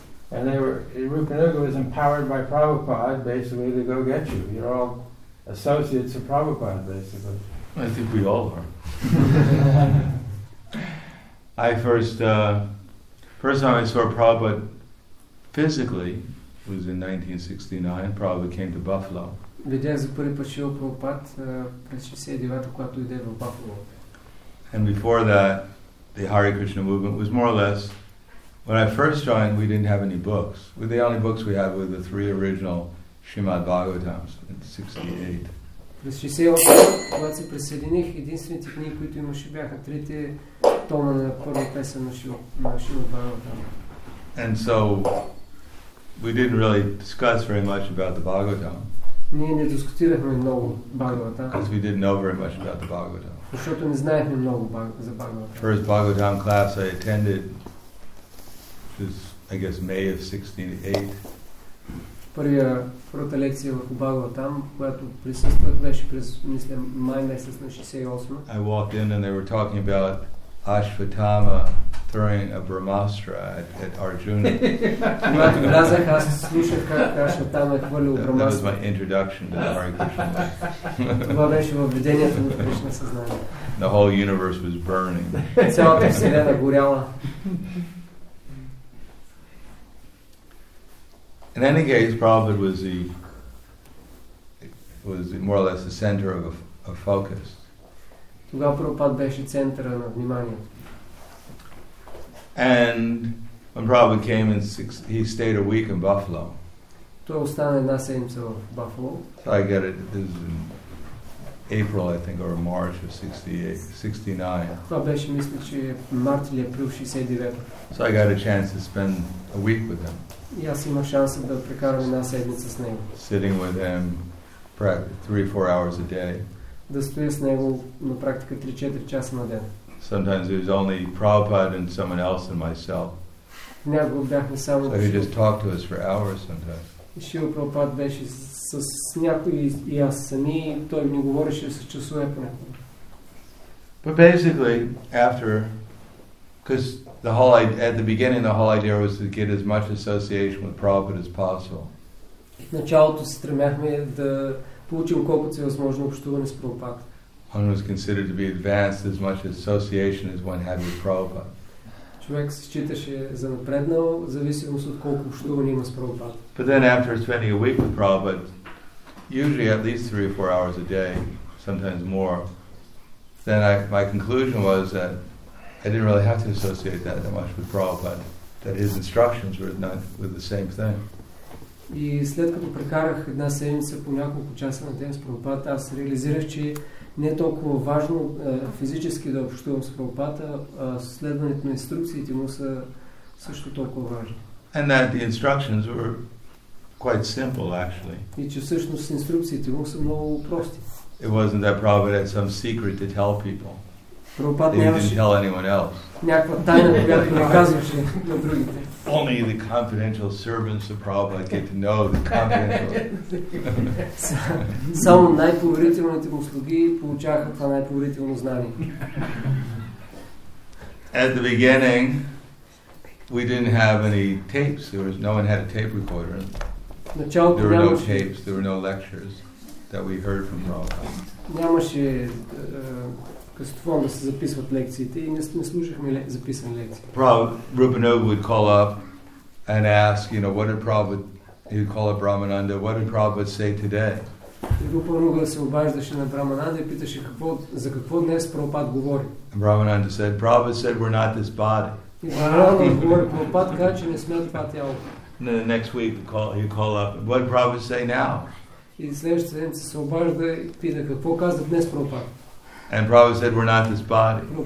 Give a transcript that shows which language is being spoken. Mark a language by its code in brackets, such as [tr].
[en] And they were, Rupanuga was empowered by Prabhupada basically to go get you. You're all associates of Prabhupada basically. I think we all are. I first time I saw Prabhupada physically was in 1969. Prabhupada came to Buffalo. [bg] Видях за първи път Шрила Прабхупада през 69-та, когато дойде в Buffalo. [en] And before that, the Hare Krishna movement was more or less, when I first joined, we didn't have any books. The only books we had were the three original Shrimad Bhagavatam, 68. [bg] През 68, когато се присъединих, единствените книги, които имаше, бяха трите тома на първа песен на Шрила Бхагаватам. [en] And so we didn't really discuss very much about the Bhagavatam. [bg] Ние не дискутирахме много Бхагаватам. [en] Because we didn't know very much about the Bhagavatam. [bg] Защото не знаехме много за Бхагаватам. [en] First Bhagavatam class I attended was, I guess, May of 68. [bg] Първата лекция в Бхагаватам, която присъствах, беше през, мисля, май месец на 68. [en] I walked in and they were talking about Ashwatthama throwing a brahmastra at Arjuna. [bg] Когато влязах, аз слушах как Ashwatthama е хвърлил брамастра. [en] That was my introduction to Hare Krishna. [bg] Това беше въведението на Кришна съзнание. [en] The whole universe was burning. [bg] Цялата вселена горяла. [en] In any case, Prabhupada was the more or less the center of a focus. [bg] Тогава Прабхупада беше центъра на внимание. [en] And when Prabhupada came in, he stayed a week in Buffalo. [bg] Той остана една седмица в Buffalo. [en] So I get it. This is in April, I think, or March of 68, 69. [bg] Това беше, мисля, че март или април 69. [en] So I got a chance to spend a week with him. [bg] И аз имах шанса да прекарам една седмица с него. [en] Sitting with him three, four hours a day. [bg] Да стоя с него на практика 3-4 часа на ден. [en] Sometimes it was only Prabhupada and someone else and myself. [bg] Някога бяхме само. [en] So he just talked to us for hours sometimes. [bg] Шрила Прабхупада беше с някой и аз сами, той ми говореше с часове понякога. [en] But basically, after, because the whole idea, at the beginning, the whole idea was to get as much association with Prabhupada as possible. [bg] В началото се стремяхме да получим колкото се възможно общуване с Прабхупада. [en] One was considered to be advanced as much association as one had with Prabhupada. [bg] Човек се считаше за напреднал, зависимост от колко общуване има с Прабхупада. [en] But then after spending a week with Prabhupada, usually at least 3 or 4 hours a day, sometimes more, then my conclusion was that I didn't really have to associate that much with Prabhupada, that his instructions were not with the same thing. [bg] И след като прекарах една седмица по няколко часа на ден с Прабхупада, аз реализирах, че не е толкова важно физически да общувам с Прабхупада, а следването на инструкциите му са също толкова важни. [en] And that the instructions were quite simple, actually. [bg] И че всъщност инструкциите му са много прости. [en] It wasn't that Prabhupada had some secret to tell people. [bg] Прабхупада не [en] didn't tell anyone else. [bg] Някаква тайна, която не казваше на другите. [en] Only the confidential servants of Prabhupada get to know the confidential. [bg] Само най-поверителните му слуги получаваха това най-поверително знание. [en] At the beginning, we didn't have any tapes. There was no one had a tape recorder. There were no tapes. There were no lectures that we heard from Prabhupada. [bg] Нямаше кастофон да се записват лекциите и ние не слушахме записани лекции. [en] Prabhupada, Rupanuga would call up and ask, you know, what did Prabhupada, he'd call up Brahmananda, what did Prabhupada say today? [bg] Rupanuga се обаждаше на Брамананда и питаше за какво днес Прабхупада говори. [en] And Brahmananda said, Prabhupada said we're not this body. [bg] И Брамананда говори, Прабхупада каза, че не сме това тяло. [en] And then the next week he'd call up, what did Prabhupada say now? [bg] И следващата седмица се обажда и пита, какво каза днес Прабхупада? [en] And Prabhupada said, we're not this body.